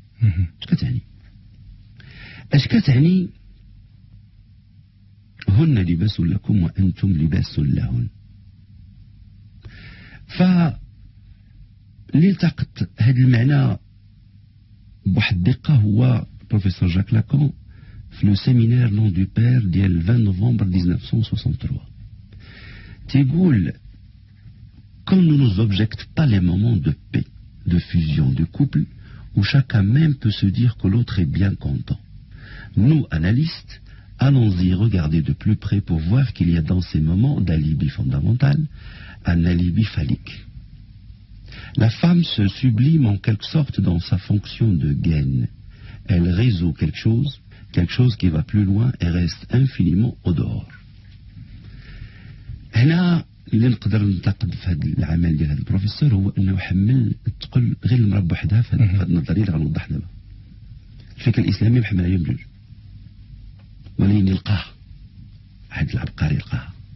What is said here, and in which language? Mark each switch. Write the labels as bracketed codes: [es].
[ar] اش كتعني؟ اش كتعني هن لباس لكم وانتم لباس لهن؟ فلتقط هذا المعنى بواحد الدقه هو بروفيسور جاك لاكون في لو سيمينير لون دو بير ديال 20 نوفمبر 1963 تيقول [fr] quand nous nous objectons pas les moments de paix, de fusion, de couple, où chacun même peut se dire que l'autre est bien content. Nous, analystes, allons-y regarder de plus près pour voir qu'il y a dans ces moments d'alibi fondamental, un alibi phallique. La femme se sublime en quelque sorte dans sa fonction de gaine. Elle résout quelque chose qui va plus loin et reste infiniment au dehors. [ar] هنا اللي نقدر ننتقد في هذا العمل ديال هذا البروفيسور هو انه حمل تقول غير المراه بوحدها في هذه النظريه اللي غنوضح دابا. الفكر الاسلامي محمل عليهم جوج. ولكن يلقاها واحد العبقري يلقاها.